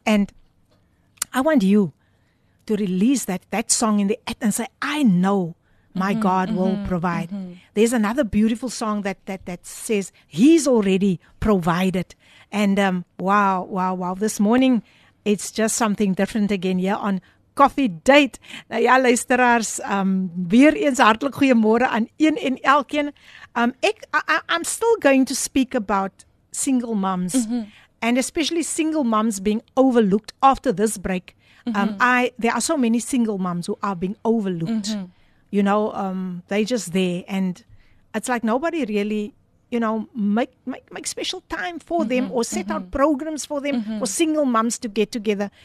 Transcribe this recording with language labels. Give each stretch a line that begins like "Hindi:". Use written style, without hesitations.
English: And I want you to release that song in the air and say, I know my God will provide. Mm-hmm. There's another beautiful song that says He's already provided. And wow. This morning, it's just something different again here on Coffee Date.
Afrikaans: Nou ja, luisteraars, weer eens hartelijk goeiemôre aan een en elkeen.
English: I'm still going to speak about single moms and especially single moms being overlooked after this break. There are so many single moms who are being overlooked. Mm-hmm. You know, they're just there and it's like nobody really, you know, make special time for them or set out programs for them for single moms to get together.